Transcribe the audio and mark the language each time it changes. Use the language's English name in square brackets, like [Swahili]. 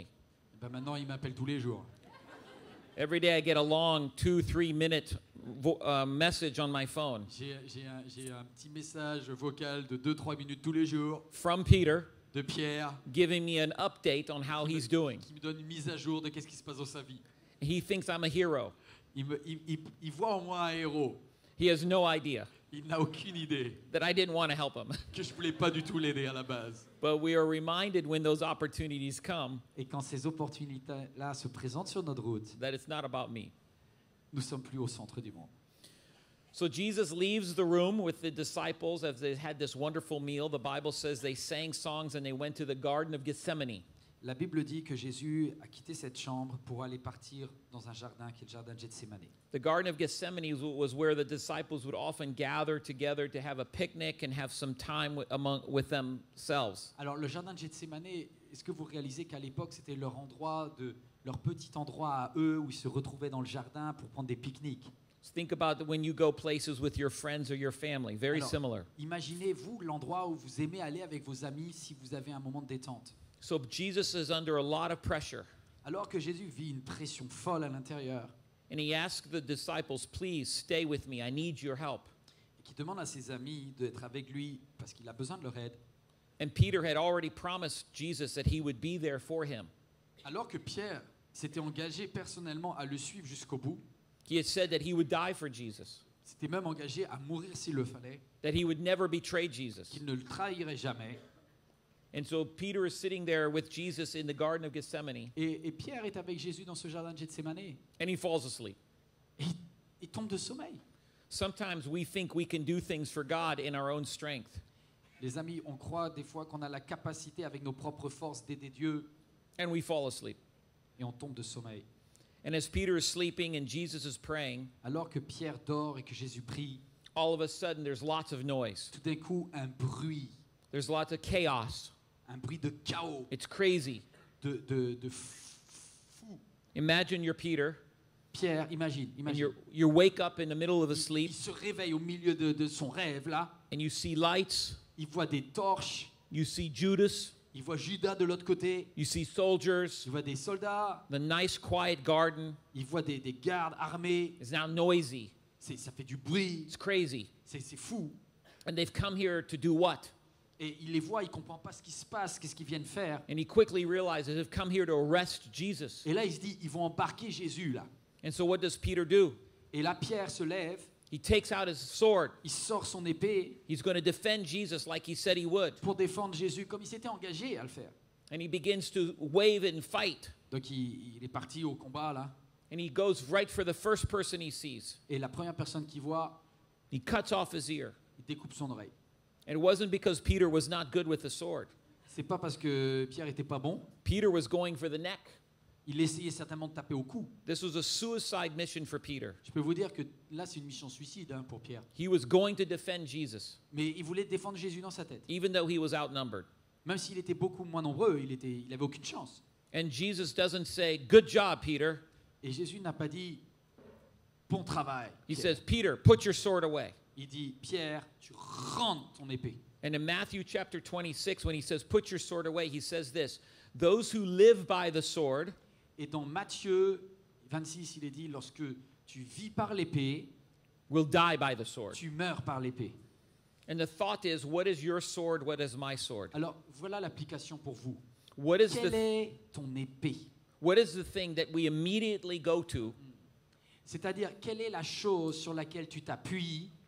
[French] Et ben maintenant il m'appelle tous les jours. [English] Every day I get a long 2-3 minute message on my phone. [French] J'ai un petit message vocal de 2-3 minutes tous les jours. [English] From Peter. [French] De Pierre. [English] Giving me an update on how he's doing. [French] Qui me donne une mise à jour de qu'est-ce qui se passe dans sa vie. [English] He thinks I'm a hero. [French] Il voit en moi un héros. [English] He has no idea. [French] Il n'a aucune idée. [English] That I didn't want to help him. [French] Que je voulais pas du tout l'aider à la base. [English] But we are reminded when those opportunities come. [French] Et quand ces opportunités là se présentent sur notre route. [English] That it's not about me. [French] Nous sommes plus au centre du monde. [English] So Jesus leaves the room with the disciples as they had this wonderful meal. The Bible says they sang songs and they went to the Garden of Gethsemane. [French] La Bible dit que Jésus a quitté cette chambre pour aller partir dans un jardin qui est le jardin de Gethsemane. [English] The Garden of Gethsemane was where the disciples would often gather together to have a picnic and have some time with themselves. [French] Alors le jardin de Gethsemane, est-ce que vous réalisez qu'à l'époque c'était leur endroit de leur petit endroit à eux où ils se retrouvaient dans le jardin pour prendre des pique-niques. [English] So think about when you go places with your friends or your family, very [French] Alors, [English] similar. [French] Imaginez-vous l'endroit où vous aimez aller avec vos amis si vous avez un moment de détente. [English] So Jesus is under a lot of pressure. [French] Alors que Jésus vit une pression folle à l'intérieur. [English] And he asks the disciples, please stay with me, I need your help. [French] Et qui demande à ses amis d'être avec lui parce qu'il a besoin de leur aide. [English] And Peter had already promised Jesus that he would be there for him. [French] Alors que Pierre s'était engagé personnellement à le suivre jusqu'au bout. [English] He had said that he would die for Jesus. [French] S'était même engagé à mourir s'il le fallait. [English] That he would never betray Jesus. [French] Qu'il ne le trahirait jamais. [English] And so Peter is sitting there with Jesus in the Garden of Gethsemane. [French] Et Pierre est avec Jésus dans ce jardin de Gethsemane. [English] And he falls asleep. [French] Il tombe de sommeil. [English] Sometimes we think we can do things for God in our own strength. [French] Les amis, on croit des fois qu'on a la capacité avec nos propres forces d'aider Dieu. [English] And we fall asleep. [French] Et on tombe de sommeil. [English] And as Peter is sleeping and Jesus is praying, [French] alors que Pierre dort et que Jésus prie, [English] all of a sudden there's lots of noise. [French] Tout d'un coup, un bruit. [English] There's lots of chaos. [French] Un bruit de chaos. [English] It's crazy. [French] De fou. [English] Imagine you're Peter. [French] Pierre, imagine. [English] You wake up in the middle of a sleep. [French] Il se réveille au milieu de son rêve là. [English] And you see lights. [French] Il voit des torches. [English] You see Judas. [French] Il voit Judas de l'autre côté. [English] You see soldiers. [French] Il voit des soldats. [English] The nice quiet garden. [French] Il voit des gardes armés. [English] It's now noisy. [French] Ça fait du bruit. [English] It's crazy. [French] C'est fou. [English] And they've come here to do what? [French] Et il les voit, il comprend pas ce qui se passe, qu'est-ce qu'ils viennent faire. [English] And he quickly realizes they've come here to arrest Jesus. [French] Et là il se dit ils vont embarquer Jésus là. [English] And so what does Peter do? [French] Et là Pierre se lève. [English] He takes out his sword. [French] Il sort son épée. [English] He's going to defend Jesus like he said he would. [French] Pour défendre Jésus comme il s'était engagé à le faire. [English] And he begins to wave and fight. [French] Donc il est parti au combat là. [English] And he goes right for the first person he sees. [French] Et la première personne qu'il voit, [English] he cuts off his ear. [French] Il découpe son oreille. [English] And it wasn't because Peter was not good with the sword. [French] C'est pas parce que Pierre était pas bon. [English] Peter was going for the neck. [French] Il essayait certainement de taper au cou. [English] This was a suicide mission for Peter. [French] Je peux vous dire que là c'est une mission suicide hein, pour Pierre. [English] He was going to defend Jesus. [French] Mais il voulait défendre Jésus dans sa tête. [English] Even though he was outnumbered. [French] Même s'il était beaucoup moins nombreux, il avait aucune chance. [English] And Jesus doesn't say, "Good job, Peter." [French] Et Jésus n'a pas dit bon travail. [English] Pierre. He says, "Peter, put your sword away." [French] Il dit, Pierre, tu rends ton épée. [English] And in Matthew chapter 26, when he says, put your sword away, he says this, those who live by the sword, [French] et dans Matthieu 26, il est dit, lorsque tu vis par l'épée, [English] will die by the sword. [French] Tu meurs par l'épée. [English] And the thought is, what is your sword? What is my sword? [French] Alors, voilà l'application pour vous. [English] What is [French] Quelle [English] the [French] est ton épée? [English] What is the thing that we immediately go to? [French] C'est-à-dire, quelle est la chose sur laquelle tu t'appuies?